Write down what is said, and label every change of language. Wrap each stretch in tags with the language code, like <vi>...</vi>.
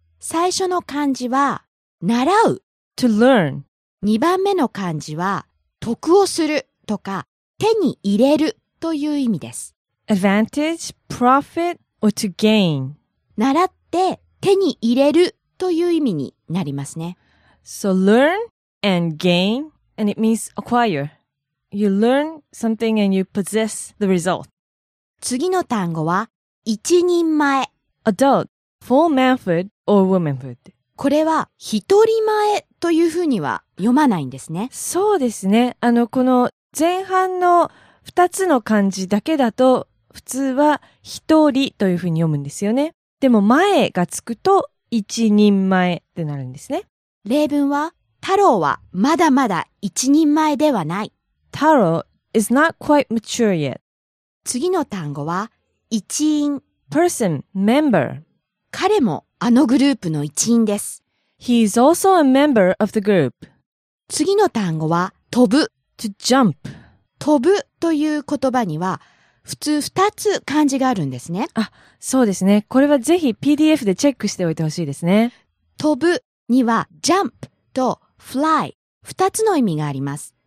<ja>最初の漢字は習う。</ja> <en>to learn。</en> <ja>二番目の漢字は得をするとか手に入れる。という意味です。</ja> <en>advantage, profit, or to gain.</en> <ja>習って手に入れるという意味になりますね。</ja> <en>So learn and gain, and it means acquire. You learn something and you possess the result.</en> <ja>次の単語は、一人前。</ja> <en>adult, full manhood or womanhood.</en> <ja>これは、一人前というふうには読まないんですね。そうですね。この前半の二つの漢字だけだと普通は一人というふうに読むんですよね。でも前がつくと一人前ってなるんですね。例文は太郎はまだまだ一人前ではない。</ja> <en>太郎 is not quite mature yet.</en> <ja>次の単語は一員。</ja> <en>person, member.</en> <ja>彼もあのグループの一員です。</ja> <en>He is also a member of the group.</en> <ja>次の単語は飛ぶ。</ja> <en>to jump.</en> <ja>飛ぶという言葉には普通二つ漢字があるんですね。あ、そうですね。これはぜひ PDF でチェックしておいてほしいですね。飛ぶには jump と fly 二つの意味があります。</ja>